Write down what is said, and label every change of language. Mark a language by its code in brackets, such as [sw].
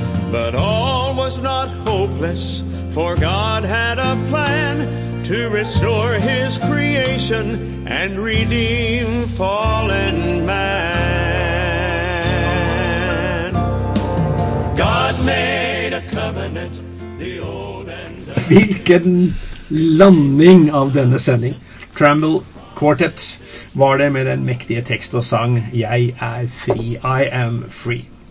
[en] But all was not hopeless, for God had a plan to restore his creation and redeem fallen man. God made a covenant, the old and the new. [sv] Vilken landing av denne sending. Tremble Quartet var det med den mäktige text och sang Jag är fri, [en] I am free.